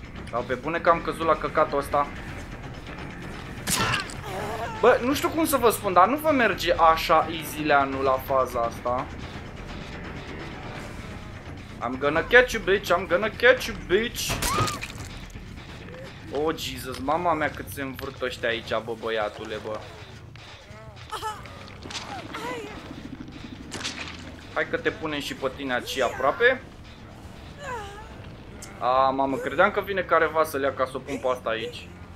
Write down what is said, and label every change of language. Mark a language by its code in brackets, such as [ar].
[ro] Dar pe bune că am căzut la căcatul ăsta. Bă, nu știu cum să vă spun, dar nu vă merge așa easy-leanul la faza asta. [en] I'm gonna catch you, bitch. [ro] Oh, Jesus, mama mea cât se învârt ăștia aici, bă, băiatule, bă. Hai că te punem și pe tine aici aproape. Ah, mamă, credeam că vine careva să-l ia ca să o pun pe asta aici.